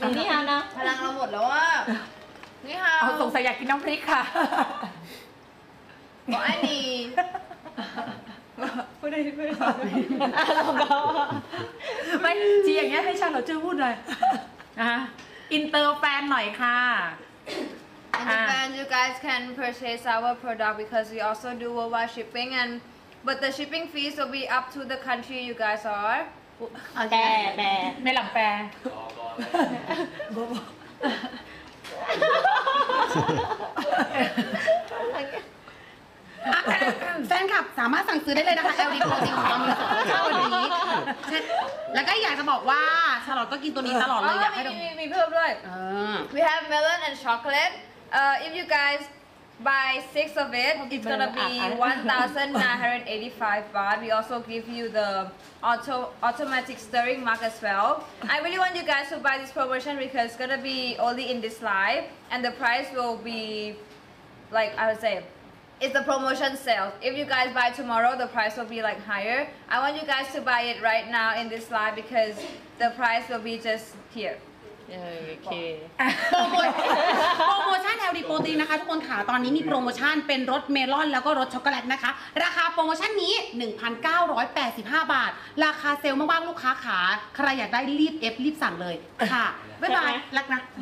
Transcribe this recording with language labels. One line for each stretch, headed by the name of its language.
Thai: นี่ฮาวนะพลังเราหมดแล้วว่านี่ฮาว เอาสงสัยอยากกินน้ำพริกค่ะ บอกไอ้นี่ พูดได้พูดได้แล้วก็ไม่ทีอย่างเงี้ยให้ชาลอตเจอพูดเลยนะอินเตอร์แฟนหน่อยค่ะ
English: And then you guys can purchase our product because we also do worldwide shipping and but the shipping fees will be up to the country you guys are
Thai: แปลแปล ไม่หลังแปล บอก แฟนคลับสามารถสั่งซื้อได้เลยนะคะ LD Clothing ของเราอยู่ตอนนี้แล้วก็อยากจะบอกว่าชาลอตก็กินตัวนี้ตลอดเลยอยากให้ มีเพิ่มด้วย
English: We have melon and chocolate if you guys buy 6 of it it's gonna be 1985 baht we also give you theAutomatic stirring mug as well. I really want you guys to buy this promotion because it's gonna be only in this live, and the price will be, like I would say, it's a promotion sale. If you guys buy tomorrow, the price will be like higher. I want you guys to buy it right now in this live because the price will be just here.
Thai: โอเค โปรโมชั่นแอลดีโปรตีนนะคะทุกคนขาตอนนี้มีโปรโมชั่นเป็นรสเมลอนแล้วก็รสช็อกโกแลตนะคะราคาโปรโมชั่นนี้ 1,985 บาทราคาเซลล์มากๆลูกค้าขาใครอยากได้รีบเอฟรีบสั่งเลยค่ะบ๊ายบายรักนะ